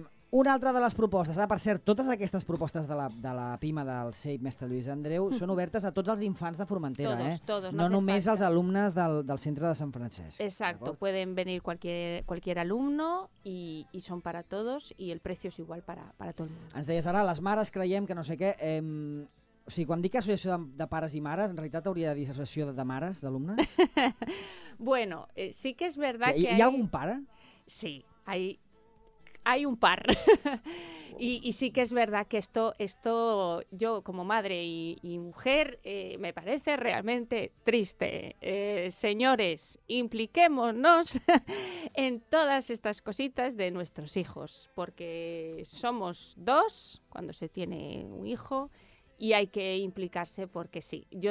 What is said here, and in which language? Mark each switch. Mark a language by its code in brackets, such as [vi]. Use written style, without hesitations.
[ca] Una altra de les propostes, ara, per cert, totes aquestes propostes de la PIME del CEIP Mestre Lluís Andreu són obertes a tots els infants de Formentera, [es] todos, [ca] no només als alumnes del centre de Sant Francesc. [es] Exacto, pueden venir cualquier alumno y son para todos y el precio es igual para todo el mundo. [ca] Ens deies ara, les mares creiem que no sé què, o sigui, quan dic associació de pares i mares, en realitat hauria de dir associació de mares, d'alumnes? [es] Bueno, sí que és verdad que [ca] hi ha algun pare? [es] Sí, hay un par. Y sí que es verdad que esto yo como madre y mujer me parece realmente triste. Señores, impliquémonos en todas estas cositas de nuestros hijos, porque somos dos cuando se tiene un hijo y hay que implicarse porque sí.